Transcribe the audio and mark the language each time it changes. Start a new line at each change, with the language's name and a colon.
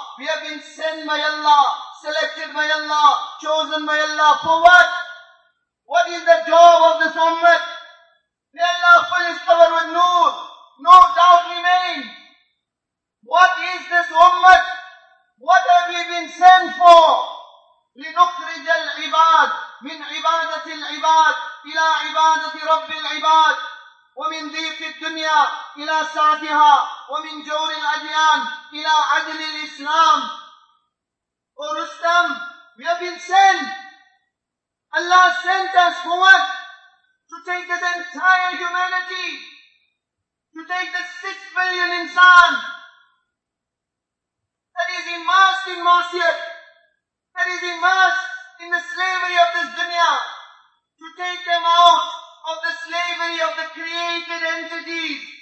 English: We have been sent by Allah, selected by Allah, chosen by Allah. For what? What is the job of this ummah? May Allah fill his cover with noor. No doubt remain. What is this ummah? What have we been sent for?
Arabic: لنخرج العباد من عبادة العباد إلى عبادة رب العباد ومن ضيق الدنيا إلى سعتها ومن جور الأديان إلى عدل الإسلام.
English: O Rustam, we have been sent. Allah sent us for what? To take this entire humanity. To take the 6 billion insan that is immersed in masyat, that is immersed in the slavery of this dunya, to take them out of the slavery of the created entities.